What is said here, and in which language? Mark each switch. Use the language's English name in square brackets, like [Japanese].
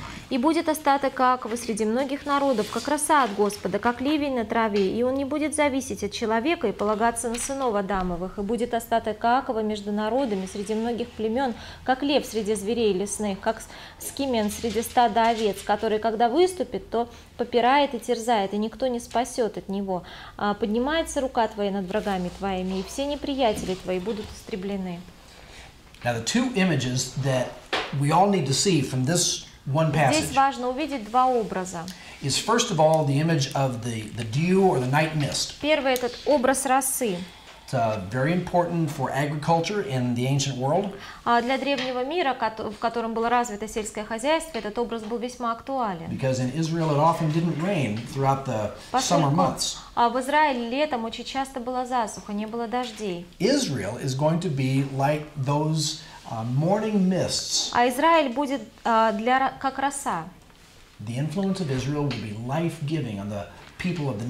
[Russian] И будет остаток Акова среди многих народов, как роса от Господа, как ливень на траве, и он не будет зависеть от человека и полагаться на сынов Адамовых, и будет остаток Акова между народами среди многих племен, как лев среди зверей лесных, как скимен среди стада овец, который, когда выступит, то попирает и терзает, и никто не спасет от него. Поднимается рука твоя над врагами твоими, и все неприятели твои будут истреблены. [English] Now the two images that we all need to see from this one passage. [Russian] Здесь важно увидеть два образа. [English] Is first of all the image of the dew or the night mist. [Russian] Первый — этот образ росы. [English] It's very important for agriculture in the ancient world. [Russian] Для древнего мира, в котором было развито сельское хозяйство, этот образ был весьма актуален. [English] Because in Israel it often didn't rain throughout the summer months. [Russian] В Израиле летом очень часто была засуха, не было дождей. [English] Israel is going to be like those morning mists. [Russian] А Израиль будет для как роса. [English] The influence of Israel will be life-giving on the people of the nations.